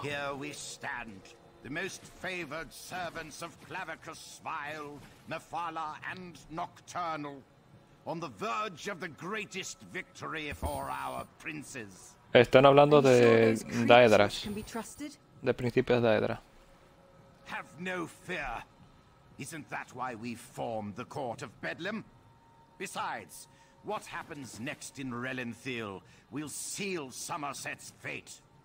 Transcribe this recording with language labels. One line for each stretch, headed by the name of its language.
English: Here we stand, the most favored servants of Clavicus Vile, Mephala and Nocturnal, on the verge of the greatest victory for our princes.
Spanish: Están hablando de Daedras, de príncipes de Daedra.
English: Have no fear. Isn't that why we formed the court of Bedlam? Besides, what happens next in Relenthiel will seal Somerset's fate.